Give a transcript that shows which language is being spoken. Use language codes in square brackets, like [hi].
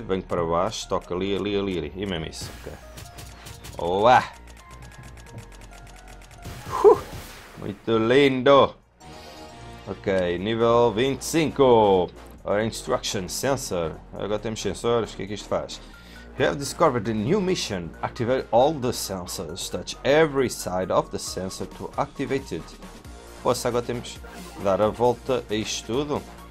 [pt] Venho para baixo, toca ali, ali, ali, ali. E mesmo isso, ok. Olá! Muito lindo! Ok, nível 25! [en] Our instruction sensor. [pt] Agora temos sensores, o que é que isto faz? [en] You have discovered a new mission. Activate all the sensors. Touch every side of the sensor to activate it. [pt] Poxa, agora temos que dar a volta a isto tudo.